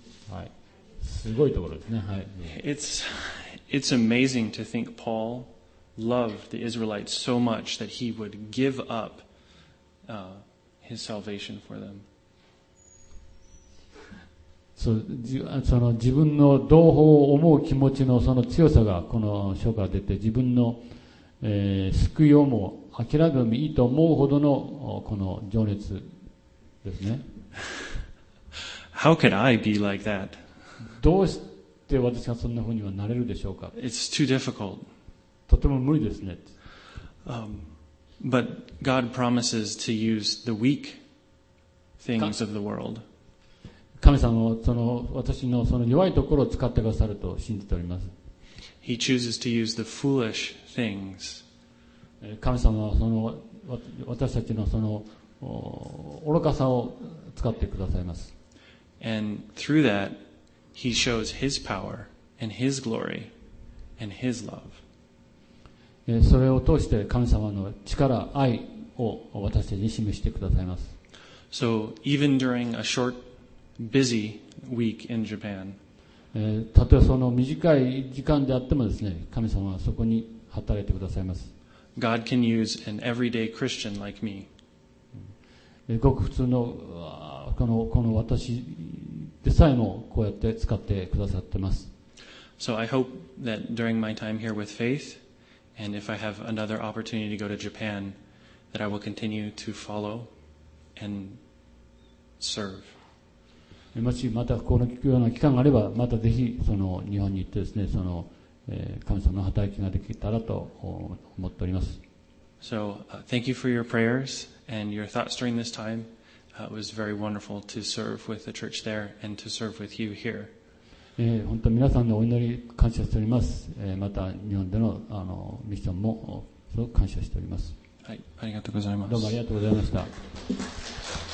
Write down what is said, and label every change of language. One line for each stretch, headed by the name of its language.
Japanese: はい、すごいところですね。はい。
English: It's amazing to think Paul loved the Israelites so much that he would give up his salvation for them.
Japanese: So, その自分の同胞を思う気持ちのその強さがこの書から出て、自分の、救いをも諦めてもいいと思うほどのこの情熱ですね。
English: How could I be like that?
Japanese: どうして私がそんなふうにはなれるでしょうか。
English: It's too difficult.
Japanese: とても無理ですね。
English: But God promises to use the weak things of the world.
Japanese: 神様はその私のその弱いところを使ってくださると信じております。
English: He chooses to use the foolish things.
Japanese: 神様はその私たちのその愚かさを使ってくださいます。
English: And through that,He shows His power and His glory and His love.
Japanese: それを通して神様の力、愛を私たちに示してくださいます。
English: So even during a short, busy week in Japan,
Japanese: たとえその短い時間であってもですね、神様はそこに働いてくださいます。
English: God can use an everyday Christian like me.
Japanese: ごく普通のこの私でさえもこうやって使ってくださってます。
English: So I hope that during my time here with Faith, and if I have another opportunity to go to Japan, that I will continue to follow and serve.
Japanese: もしまたこの機会の期間があれば、またぜひその日本に行ってですね、その神様の働きができたらと思っております。
English: So thank you for your prayers and your thoughts during this time. It was very wonderful to serve with the church there and to serve with you here.
Japanese: 本当皆さんのお祈り感謝しております。また日本での、ミッションもすごく感謝しております。はい、ありがとうございます。どうもありがとうございました。